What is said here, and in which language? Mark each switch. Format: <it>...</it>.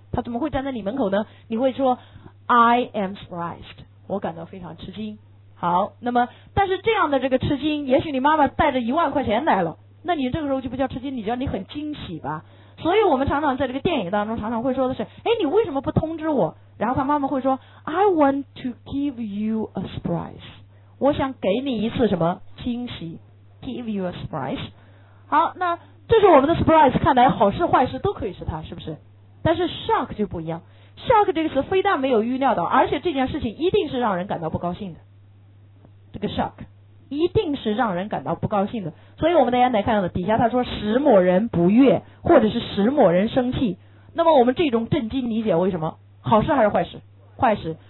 <zh>她怎么会站在你门口呢？你会说</zh> <en>I am surprised，</en> <zh>我感到非常吃惊。好，那么但是这样的这个吃惊，也许你妈妈带着10000块钱来了，那你这个时候就不叫吃惊，你叫你很惊喜吧。所以我们常常在这个电影当中常常会说的是，哎，你为什么不通知我？然后他妈妈会说</zh> <en>I want to give you a surprise，</en> <zh>我想给你一次什么惊喜，</zh> <en>give you a surprise。</en> <zh>好，那这是我们的 surprise， 看来好事坏事都可以是它，是不是？但是 shock 就不一样， shock 这个词非但没有预料到，而且这件事情一定是让人感到不高兴的，这个 shock 一定是让人感到不高兴的。所以我们大家来看到的底下他说使某人不悦或者是使某人生气，那么我们这种震惊理解为什么好事还是坏事？坏事。</zh>